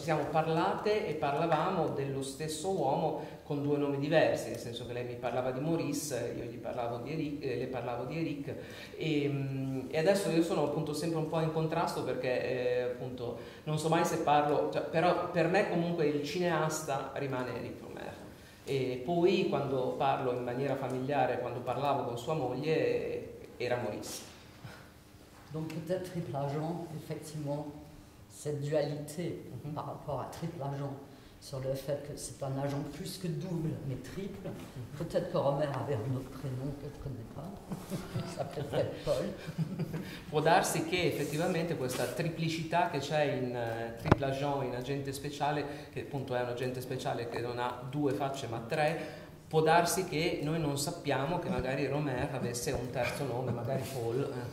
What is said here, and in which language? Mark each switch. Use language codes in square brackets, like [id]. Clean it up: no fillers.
[it] parlate e parlavamo dello stesso uomo con due nomi diversi, nel senso che lei mi parlava di Maurice, io gli parlavo di Eric, le parlavo di Eric e adesso io sono appunto sempre un po' in contrasto perché appunto non so mai se parlo, cioè, però per me comunque il cineasta rimane Eric Rohmer. E poi quando parlo in maniera familiare, quando parlavo con sua moglie, era Maurice. [fr] Donc peut-être triple agent, effectivement. Cette dualité par rapport à triple agent, sur le fait que c'est un agent plus que double, mais triple. Peut-être que Rohmer avait un autre prénom que je ne connais pas, il s'appelait Paul. [it] Può darsi che effettivamente questa triplicità che c'è in triple agent, in agente speciale, che appunto è un agente speciale che non ha due facce ma tre, può darsi che noi non sappiamo che magari Rohmer avesse un terzo nome, magari Paul.